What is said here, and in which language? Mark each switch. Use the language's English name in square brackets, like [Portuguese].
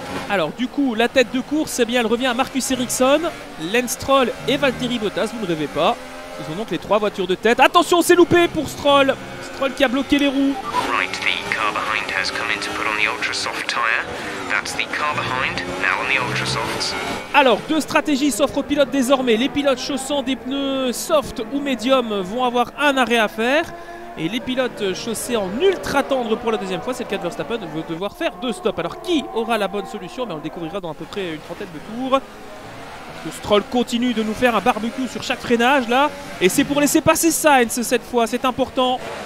[French] Alors du coup, la tête de course, eh bien, elle revient à Marcus Ericsson, Lance Stroll et Valtteri Bottas, vous ne rêvez pas. Ils ont donc les 3 voitures de tête. Attention, c'est loupé pour Stroll. Stroll qui a bloqué les roues. [English] Right, the car behind has come in to put on the ultra soft tire. That's the car behind, now on the ultra softs. [French] Alors, deux stratégies s'offrent aux pilotes désormais. Les pilotes chaussant des pneus soft ou médium vont avoir un arrêt à faire. Et les pilotes chaussés en ultra tendre pour la deuxième fois, c'est le cas de Verstappen, vont devoir faire 2 stops. Alors, qui aura la bonne solution? Mais on le découvrira dans à peu près une trentaine de tours. Stroll continue de nous faire un barbecue sur chaque freinage là. Et c'est pour laisser passer Sainz cette fois, c'est important.